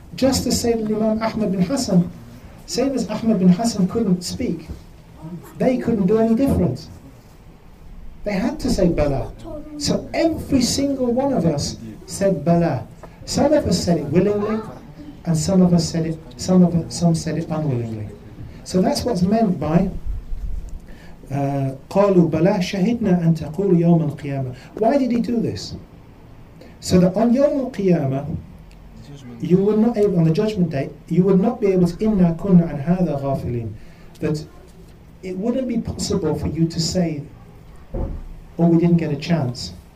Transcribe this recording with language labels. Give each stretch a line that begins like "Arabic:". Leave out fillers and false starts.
English: Just as Sayyidina Imam Ahmad bin Hassan, same as Ahmad bin Hassan couldn't speak, they couldn't do any difference. They had to say Bala. So every single one of us said Bala. Some of us said it willingly, and some said it unwillingly. So that's what's meant by
Arabic: قَالُوا بَلَا شَهِدْنَا أَن تَقُولُ يَوْمَ الْقِيَامَةِ.
English: Why did he do this? So that on
Arabic: يَوْمَ الْقِيَامَةِ,
English: you would not able, on the judgment day, you would not be able to,
Arabic: إِنَّا كُنَّا عَنْ هَذَا غَافِلِينَ,
English: that it wouldn't be possible for you to say, oh, we didn't get a chance.